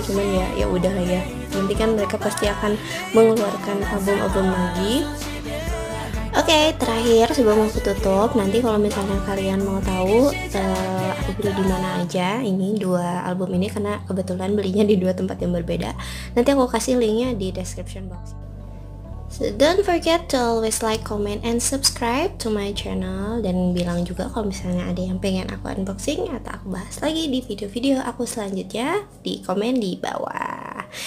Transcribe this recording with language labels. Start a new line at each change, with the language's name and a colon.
Indonesian: Cuman ya ya udah lah ya, nanti kan mereka pasti akan mengeluarkan album-album lagi. Oke, terakhir sebelum aku tutup, nanti kalau misalnya kalian mau tahu aku beli di mana aja ini dua album ini, karena kebetulan belinya di dua tempat yang berbeda, nanti aku kasih linknya di description box.
English: So, don't forget to always like, comment, and subscribe to my channel.
Indonesian: Dan bilang juga kalau misalnya ada yang pengen aku unboxing atau aku bahas lagi di video-video aku selanjutnya, di komen di bawah.